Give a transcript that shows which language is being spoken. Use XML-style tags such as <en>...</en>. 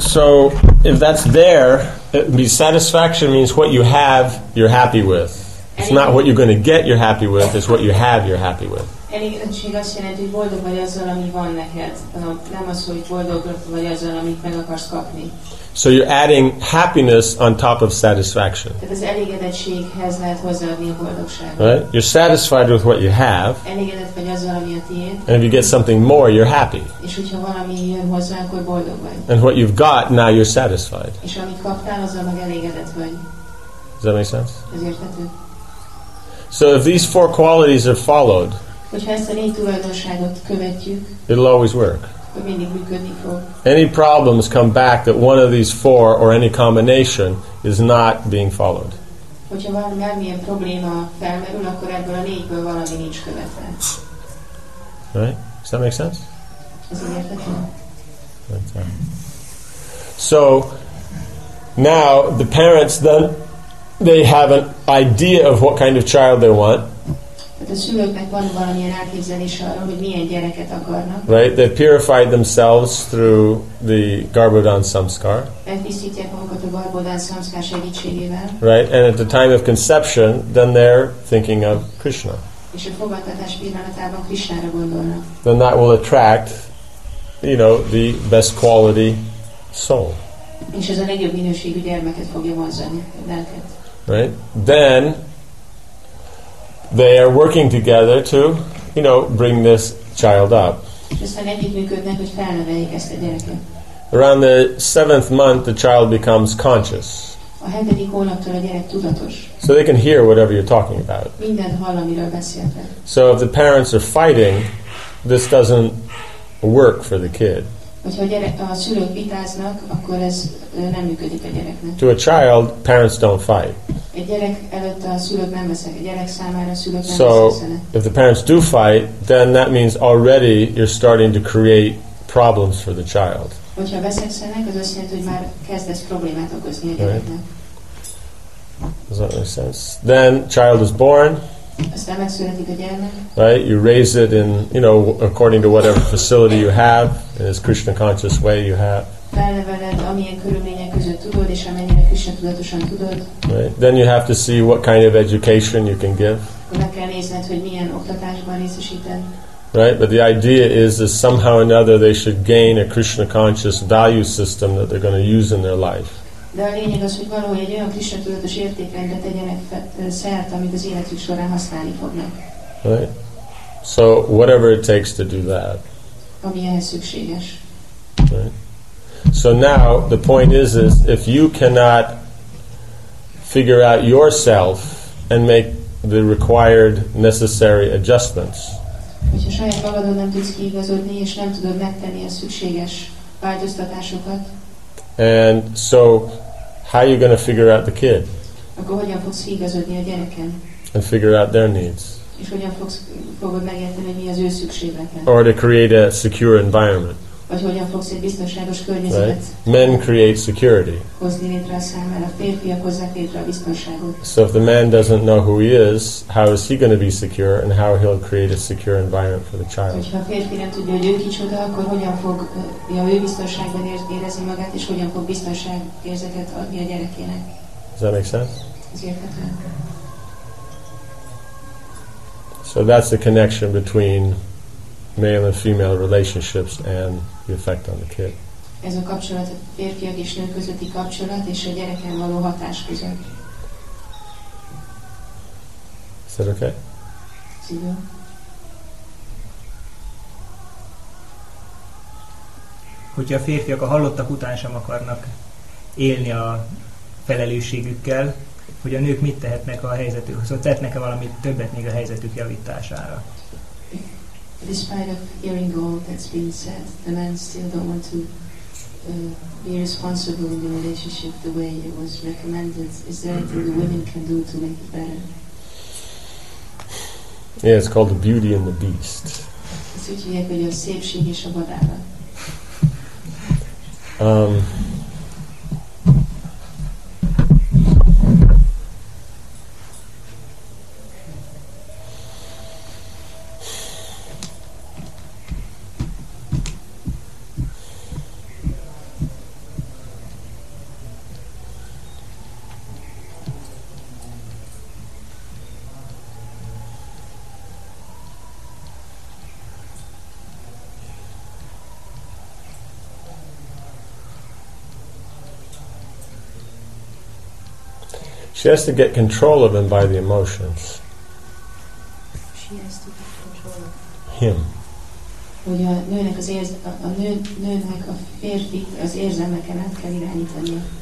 <en>So, if that's there, satisfaction means what you have, you're happy with. It's not what you're going to get, you're happy with. It's what you have, you're happy with.</en> <hu>Elégedettség azt jelenti, hogy boldog vagy azzal, ami van neked. Nem az, hogy boldog vagy azzal, amit meg akarsz kapni.</hu> <en>So you're adding happiness on top of satisfaction.</en> <hu>Tehát az elégedettséghez lehet hozzáadni a boldogságot.</hu> <en>Right? You're satisfied with what you have.</en> <hu>Elégedett vagy azzal, ami a tiéd.</hu> <en>And if you get something more, you're happy.</en> <hu>És hogyha valami jön hozzá, akkor boldog vagy.</hu> <en>And what you've got, now you're satisfied.</en> <hu>És amit kaptál, azzal meg elégedett vagy.</hu> <en>Does that make sense?</en> <hu>Ez érthető.</hu> <en>So if these four qualities are followed,</en> <hu>hogyha ezt a négy tulajdonságot követjük,</hu> <en>it'll always work.</en> <hu>Mindig működni fog.</hu> <en>Any problems come back that one of these four or any combination is not being followed.</en> <hu>Hogyha bármilyen probléma felmerül, akkor ebből a négyből valami nincs követve.</hu> <en>Right? Does that make sense?</en> <hu>Ez így érthető.</hu> <en>So, now the parents then they have an idea of what kind of child they want.</en> <hu>Tehát a szülőknek van valamilyen elképzelése arra, hogy milyen gyereket akarnak.</hu> <en>Right? They purified themselves through the Garbhodan Samskar.</en> <hu>Elpisztítják magukat a Garbhodan Samskar segítségével.</hu> <en>Right? And at the time of conception, then they're thinking of Krishna.</en> <hu>És a fogantatás pillanatában Krishnára gondolnak.</hu> <en>Then that will attract, you know, the best quality soul.</en> <hu>És ez a legjobb minőségű gyermeket fogja vonzani, lelket.</hu> <en>Right? Then they are working together to, you know, bring this child up. Around the seventh month, the child becomes conscious.</en> <hu>A hetedik hónaptól a gyerek tudatos.</hu> <en>So they can hear whatever you're talking about.</en> <hu>Mindent hall, amiről beszéltek.</hu> <en>So if the parents are fighting, this doesn't work for the kid.</en> <hu>Hogyha a szülők vitáznak, akkor ez nem működik a gyereknek.</hu> <en>To a child, parents don't fight.</en> <hu>A gyerek előtt a szülők nem veszek. A gyerek számára a szülők nem veszek.</hu> <en>So, if the parents do fight, then that means already you're starting to create problems for the child.</en> <hu>Hogyha veszekszenek, az azt jelenti, hogy már kezdesz problémát okozni a gyereknek.</hu> <en>Does that make sense? Then, child is born.</en> <hu>Aztán megszületik a gyermek.</hu> <en>Right? You raise it in, you know, according to whatever facility you have, in this Krishna conscious way you have.</en> <hu>Felneveled, amilyen körülmények között tudod, és amennyire Krishna tudatosan tudod.</hu> <en>Right? Then you have to see what kind of education you can give.</en> <hu>Meg kell nézned, hogy milyen oktatásban részesíted.</hu> <en>Right? But the idea is that somehow or another they should gain a Krishna conscious value system that they're going to use in their life.</en> <hu>De a lényeg az, hogy valahogy egy olyan Krishna tudatos értékrendet tegyenek szert, amit az életük során használni fognak.</hu> <en>Right? So whatever it takes to do that.</en> <hu>Ami ehhez szükséges.</hu> <en>Right? So now the point is if you cannot figure out yourself and make the required necessary adjustments.</en> <hu>Hogyha saját magadon nem tudsz kiigazodni és nem tudod megtenni a szükséges változtatásokat.</hu> <en>And so how are you going to figure out the kid?</en> <hu>Akkor hogyan fogsz kiigazodni a gyereken?</hu> <en>And figure out their needs.</en> <hu>És hogyan fogod megérteni, hogy mi az ő szükségletek?</hu> <en>Or to create a secure environment.</en> <hu>Vagy hogyan fogsz egy biztonságos környezetet?</hu> <en>Right? Men create security.</en> <hu>Hozni létre a számára, a férfiak hozzák létre a biztonságot.</hu> <en>So if the man doesn't know who he is, how is he going to be secure and how he'll create a secure environment for the child?</en> <hu>Hogyha a férfi nem tudja, hogy ő kicsoda, akkor hogyan fog ő biztonságban érezni magát, és hogyan fog biztonságérzetet adni a gyerekének?</hu> <en>Does that make sense?</en> <hu>Ez érthetően.</hu> <en>So that's the connection between male and female relationships and the effect on the kid.</en> <hu>Ez a kapcsolat, a férfiak és nők közötti kapcsolat és a gyereken való hatás között.</hu> <en>Is that okay?</en> <hu>Hogyha a férfiak a hallottak után sem akarnak élni a felelősségükkel, hogy a nők mit tehetnek a helyzetükhöz, szóval tehetnek-e valamit többet még a helyzetük javítására?</hu> <en>Despite of hearing all that's been said, the men still don't want to be responsible in the relationship the way it was recommended. Is there anything the women can do to make it better? Yeah, it's called the beauty and the beast. It's what you have with your</en> <hu>szépség és a vadára.</hu> <en>She has to get control of him by the emotions. She has to get control of him.</en> <hu>Hogy a nőnek az nőnek a férfi az érzelmeken át kell irányítani.</hu>